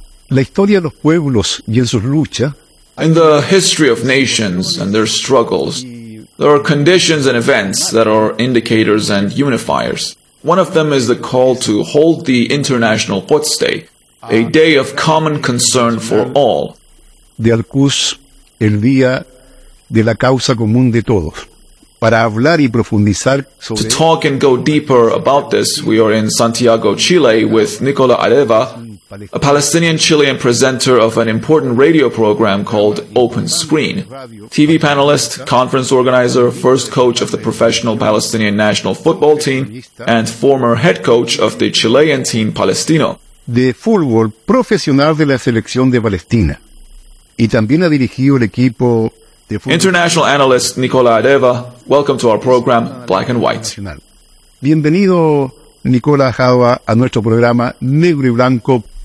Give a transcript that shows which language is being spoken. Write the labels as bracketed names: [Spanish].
[Spanish] La historia de los pueblos y en sus luchas. [English] In the history of nations and their struggles, there are conditions and events that are indicators and unifiers. One of them is the call to hold the International Quds Day, a day of common concern for all. [Spanish] De Al-Quds, el día de la causa común de todos. Para hablar y profundizar sobre... [English] To talk and go deeper about this, we are in Santiago, Chile, with Nicola Areva, a Palestinian-Chilean presenter of an important radio program called Open Screen, TV panelist, conference organizer, first coach of the professional Palestinian national football team, and former head coach of the Chilean team Palestino. [Spanish] De fútbol profesional de la selección de Palestina. Y también ha dirigido el equipo de fútbol... [English] International analyst Nicola Areva, welcome to our program, Black and White. [Spanish] Bienvenido, Nicola Areva, a nuestro programa Negro y Blanco.